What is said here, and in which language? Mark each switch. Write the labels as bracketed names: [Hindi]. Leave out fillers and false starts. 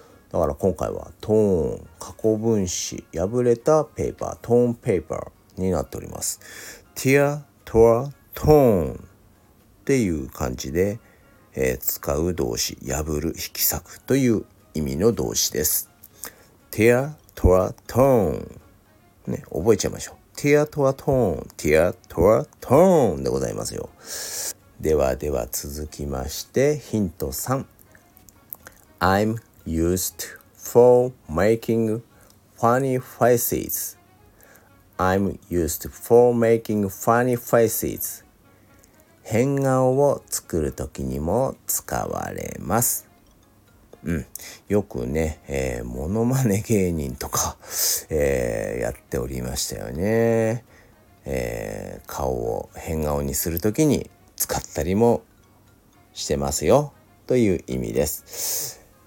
[Japanese] だから今回は torn 過去分詞、破れたペーパー、 torn paper になっております。 tear、 tore、 torn っていう感じで使う動詞、破る、引き裂くという意味の動詞です。 tear, tore, torn、ね、覚えちゃいましょう。 tear, tore, torn、tear, tore, torn でございますよ。ではでは続きまして、ヒント3。 [English] I'm used for making funny faces. I'm used for making funny faces. [Japanese] 変顔を作るときにも使われます。うん、よくね、モノマネ芸人とか、やっておりましたよね。顔を変顔にするときに使ったりもしてますよという意味です。